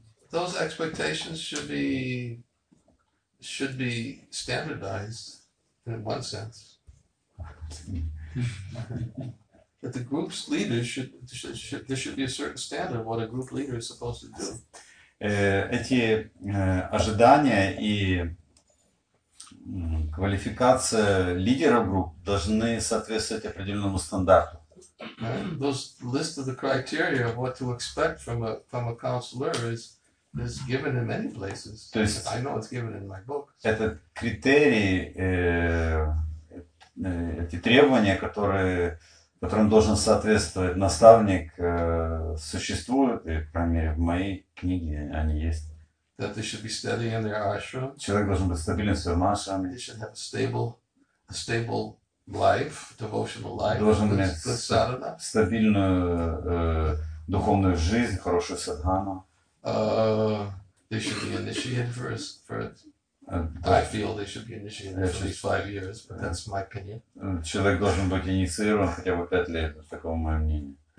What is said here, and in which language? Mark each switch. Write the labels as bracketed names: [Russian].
[English] Those expectations should be standardized in one sense. That the group's leader should there should be a certain standard of what a group leader is supposed to do. [Russian] Эти ожидания и квалификация лидера групп должны соответствовать определенному стандарту. [English] Those list of the criteria of what to expect from a counselor is given in many places. [Russian] То есть, [English] I know it's given in my book. [Russian] Это критерии, эти требования, которым должен соответствовать наставник, существуют, и, по крайней мере, в моей книге они есть. [English] That they should be steady in their ashram. [Russian] Человек должен быть стабилен в своем ашраме. [English] They should have a stable life, devotional life. [Russian] Должен иметь стабильную духовную жизнь, хорошую садхану. [English] They should be initiated first. I feel they should be initiated for these 5 years, but that's my opinion. [Russian] Человек должен быть инициирован хотя бы 5 лет, таково мое мнение.